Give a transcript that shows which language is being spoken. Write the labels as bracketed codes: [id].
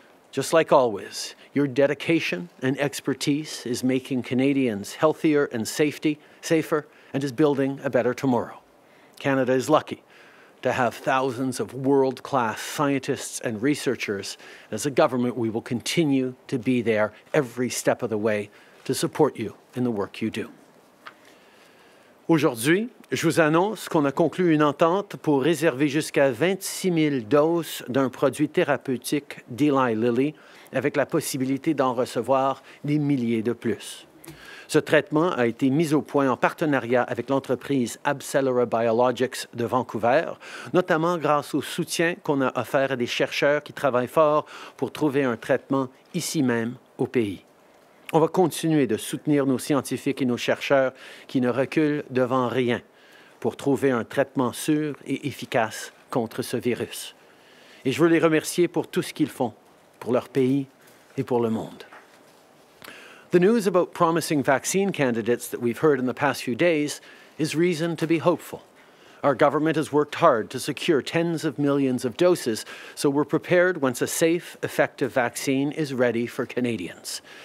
[en] Just like always, your dedication and expertise is making Canadians healthier and safer and is building a better tomorrow. Canada is lucky to have thousands of world-class scientists and researchers. As a government, we will continue to be there every step of the way to support you in the work you do. [fr] Aujourd'hui, je vous annonce qu'on a conclu une entente pour réserver jusqu'à 26 000 doses d'un produit thérapeutique d'Eli Lilly, avec la possibilité d'en recevoir des milliers de plus. Ce traitement a été mis au point en partenariat avec l'entreprise AbCellera Biologics de Vancouver, notamment grâce au soutien qu'on a offert à des chercheurs qui travaillent fort pour trouver un traitement ici même au pays. On va continuer de soutenir nos scientifiques et nos chercheurs qui ne reculent devant rien pour trouver un traitement sûr et efficace contre ce virus. Et je veux les remercier pour tout ce qu'ils font pour leur pays et pour le monde. [en] The news about promising vaccine candidates that we've heard in the past few days is reason to be hopeful. Our government has worked hard to secure tens of millions of doses, so we're prepared once a safe, effective vaccine is ready for Canadians.